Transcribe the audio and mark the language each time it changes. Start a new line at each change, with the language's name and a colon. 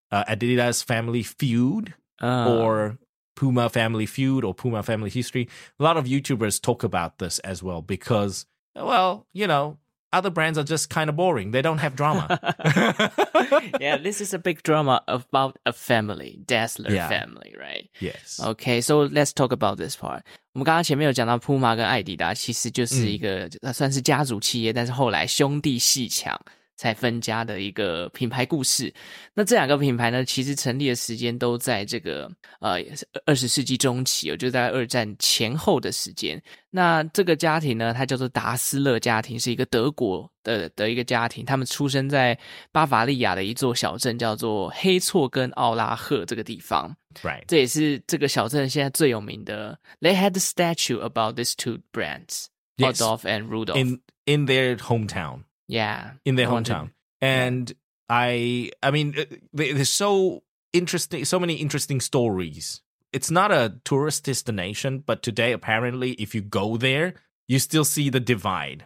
English: Adidas Family Feud or Puma Family Feud or Puma Family History. A lot of YouTubers talk about this as well because, well, you know, other brands are just kind of boring. They don't have drama. Yeah, this is a big drama about a family, Dazzler family, right? Yes. Okay, so let's talk about this part.
Chinese: 我们刚刚前面有讲到 Puma 跟 Adidas 其实就是一个算是家族企业，但是后来兄弟阋墙才分家的一个品牌故事。那这两个品牌呢，其实成立的时间都在这个20世纪中期，就是在二战前后的时间。那这个家庭呢，它叫做达斯勒家庭，是一个德国 的一个家庭。他们出生在巴伐利亚的一座小镇叫做黑措根奥拉赫这个地方。 Right. 这也是这个小镇现在最有名的。
English: They had a statue about these two brands, Adolf and Rudolf. In their hometown. Yeah. In their hometown. And I mean, there's so interesting, so many interesting stories. It's not a tourist destination, but today, apparently, if you go there, you still see the divide.